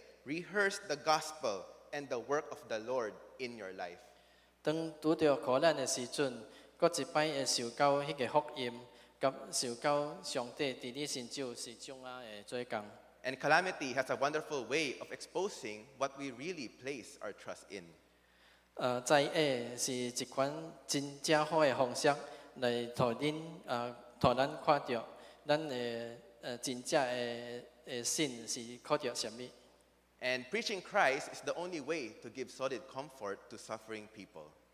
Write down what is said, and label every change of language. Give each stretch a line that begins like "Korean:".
English: Rehearse the gospel and the work of the Lord in your life. And calamity has a wonderful way of exposing what we really place our trust in.
Min Nan Chinese: 灾疫是一款真正好的方向，来让咱看到咱的真正的信是靠着什么。And
English: preaching Christ is the only way to give solid comfort to suffering people.